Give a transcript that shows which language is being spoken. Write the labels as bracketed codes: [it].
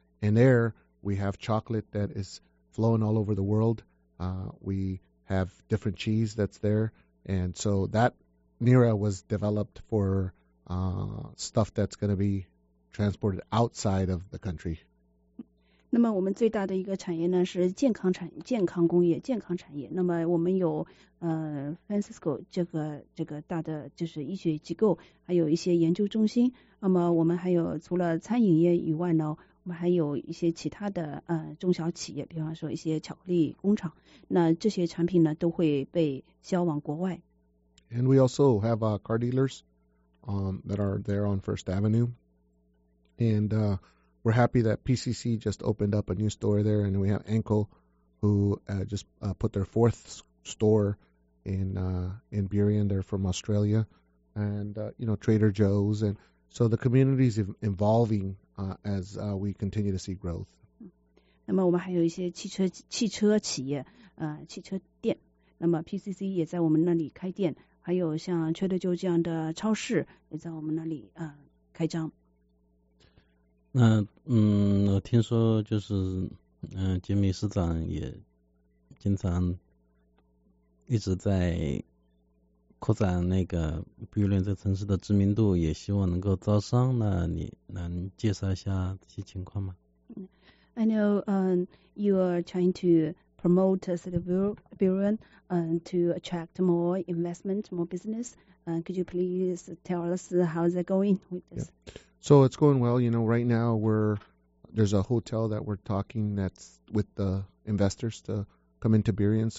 [en] And there we have chocolate that is flowing all over the world. We have different cheese that's there. And so that NERA was developed for stuff that's going to be transported outside of the country. [zh] 那么我们最大的一个产业呢是健康工业。那么我们有Francisco 这个大的就是医学机构，还有一些研究中心。那么我们还有除了餐饮业以外呢，我们还有一些其他的中小企业，比方说一些巧克力工厂。那这些产品呢都会被销往国外。 [en] And we also have car dealers that are there on First Avenue. And we're happy that PCC just opened up a new store there. And we have Anko, who put their fourth store in Burien. They're from Australia. And, Trader Joe's. And so the community is evolving as we continue to see growth. [zh] 那么我们还有一些汽车企业,汽车店。那么 PCC 也在我们那里开店。还有像 Trader Joe 这样的超市也在我们那里开张。我听说就是杰米市长也经常一直在扩展那个比如这城市的知名度，也希望能够招商，那你能介绍一下这些情况吗？ [en] I know you are trying to promote City Burien to attract more investment, more business. Could you please tell us how's it going with this? Yeah. So it's going well. You know, right now there's a hotel that we're talking that's with the investors to come into Burien.